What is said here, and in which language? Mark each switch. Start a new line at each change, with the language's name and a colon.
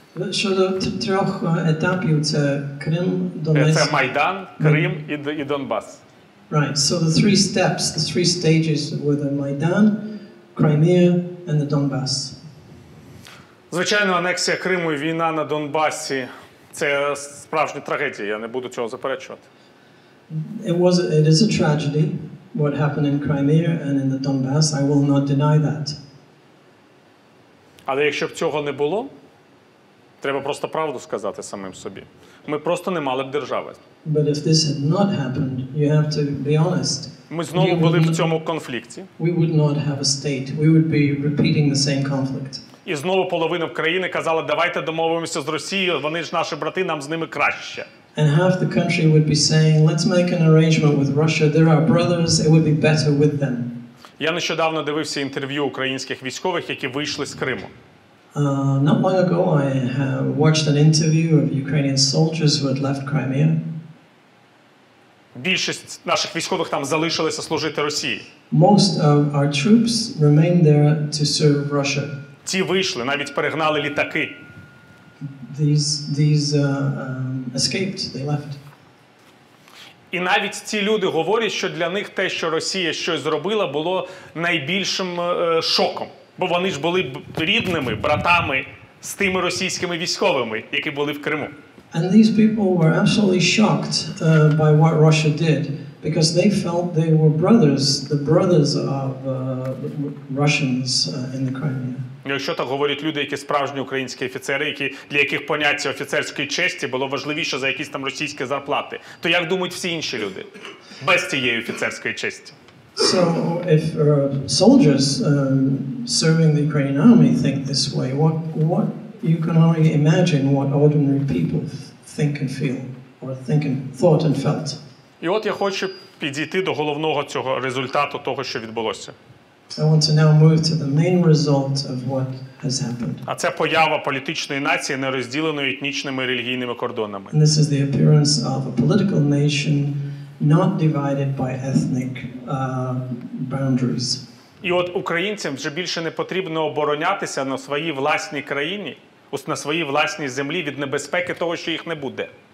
Ukrainian: Щодо трьох етапів, це Крим, Донбас. Це Майдан, Крим і Донбас.
English: Right, so the three steps, the three stages were the Maidan, Crimea, and the Donbass.
Ukrainian: Звичайно, анексія Криму і війна на Донбасі – це справжня трагедія, я не буду цього заперечувати.
English: It is a tragedy, what happened in Crimea and in the Donbass, I will not deny that.
Ukrainian: Але якщо б цього не було, треба просто правду сказати самим собі. Ми просто не мали б держави.
English: But if this had not happened, you have to be honest.
Ukrainian: Ми знову були в цьому конфлікті.
English: We would not have a state. We would be repeating the same conflict.
Ukrainian: І знову половина країни казала: "Давайте домовимося з Росією, вони ж наші брати, нам з ними краще".
English: And half the country would be saying, "Let's make an arrangement with Russia. They're our brothers. It would be better with them".
Ukrainian: Я нещодавно дивився інтерв'ю українських військових, які вийшли з Криму.
English: Not long ago I watched an interview of Ukrainian soldiers who had left Crimea.
Ukrainian: Більшість наших військових там залишилися служити Росії.
English: Most of our troops remained there to serve Russia.
Ukrainian: Ті вийшли, навіть перегнали літаки.
English: These escaped, they left.
Ukrainian: І навіть ці люди говорять, що для них те, що Росія щось зробила, було найбільшим шоком. Бо вони ж були рідними, братами з тими російськими військовими, які були в Криму.
English: And these people were absolutely shocked by what Russia did, because they felt they were brothers, the brothers of Russians in the Crimea.
Ukrainian: Якщо так говорять люди, які справжні українські офіцери, які для яких поняття офіцерської честі було важливіше за якісь там російські зарплати, то як думають всі інші люди без цієї офіцерської честі?
English: So if soldiers serving the Ukrainian army think this way, what you can only imagine what ordinary people think and feel, or think and thought and felt.
Ukrainian: І от я хочу підійти до головного цього результату того, що відбулося.
English: I want to now move to the main result of what has happened.
Ukrainian: А це поява політичної нації, не розділеної етнічними і релігійними кордонами.
English: And this is the appearance of a political nation not divided by ethnic boundaries.
Ukrainian: І от українцям вже більше не потрібно оборонятися на своїй власній країні, на своїй власній землі від небезпеки того, що їх не буде.